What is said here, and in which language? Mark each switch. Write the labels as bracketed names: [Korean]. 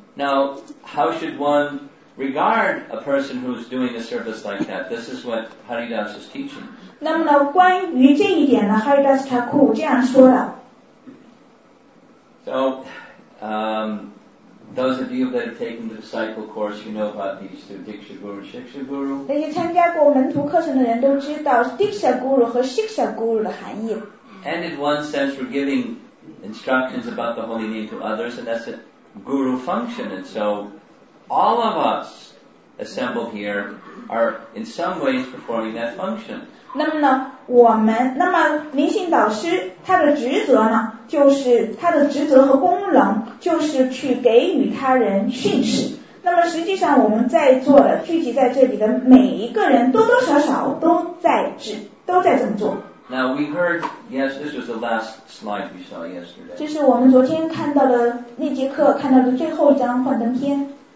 [English] Now, how should one regard a person who is doing a service like that? This is what Haridas is teaching. [Chinese] 那么呢，关于这一点呢 ，Haridas Thakur 这样说的。 [English] So, those of you that have taken the disciple course, you know about these two, Diksha Guru, Shiksha Guru. [Chinese] 那些参加过门徒课程的人都知道 Diksha Guru 和 Shiksha Guru 的含义。 [English] And in one sense, we're giving instructions about the holy name to others, and that's it. Guru function, and so all of us assembled here are in some ways performing that function. [Chinese] 那么呢，我们那么灵性导师他的职责呢，就是他的职责和功能就是去给予他人训示。那么实际上我们在座的聚集在这里的每一个人，多多少少都在这么做。 [English] Now we heard, yes, this was the last slide we saw yesterday. [Chinese] 这是我们昨天看到的那节课看到的最后一张幻灯片。